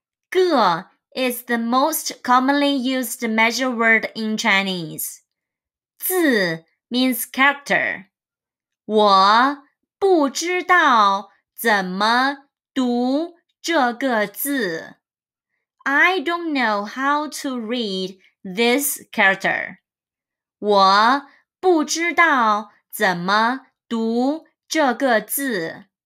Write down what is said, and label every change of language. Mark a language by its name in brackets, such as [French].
[English] 个 is the most commonly used measure word in Chinese. 字 means character. [Chinese] 我不知道怎么读这个字。 [English] I don't know how to read this character. [Chinese] 我不知道怎么读这个字.